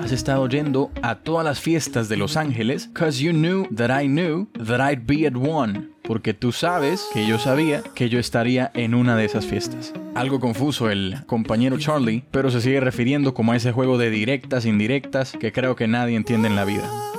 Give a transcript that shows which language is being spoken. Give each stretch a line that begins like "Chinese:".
Spanish: Has estado yendo a todas las fiestas de Los Ángeles.
English: Cause you knew that I'd be at one.
Spanish: Porque tú sabes que yo sabía que yo estaría en una de esas fiestas. Algo confuso el compañero Charlie, pero se sigue refiriendo como a ese juego de directas, indirectas, que creo que nadie entiende en la vida.